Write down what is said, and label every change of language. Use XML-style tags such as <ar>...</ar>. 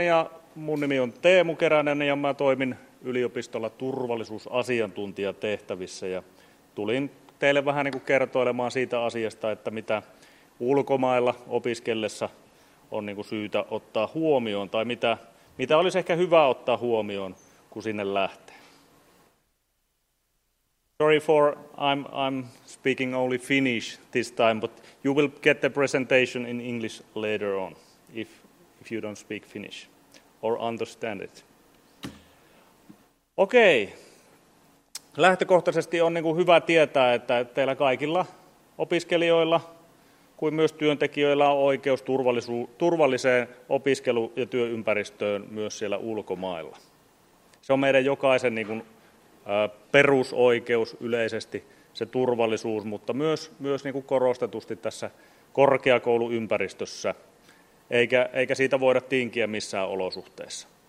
<fi>Ja mun nimi on Teemu Keränen ja mä toimin yliopistolla turvallisuusasiantuntijatehtävissä. Ja tulin teille vähän niin kuin kertoilemaan siitä asiasta, että mitä ulkomailla opiskellessa on niin kuin syytä ottaa huomioon tai mitä olisi ehkä hyvä ottaa huomioon, kun sinne lähtee.</fi> <en>Sorry for I'm speaking only Finnish this time, but you will get the presentation in English later on if you don't speak Finnish or understand it. Okei. Okay.</en> <fi>Lähtökohtaisesti on niin kuin hyvä tietää, että teillä kaikilla opiskelijoilla kuin myös työntekijöillä on oikeus turvalliseen opiskelu- ja työympäristöön myös siellä ulkomailla. Se on meidän jokaisen niin kuin perusoikeus yleisesti, se turvallisuus, mutta myös niin kuin korostetusti tässä korkeakouluympäristössä, eikä siitä voida tinkiä missään olosuhteessa.</fi>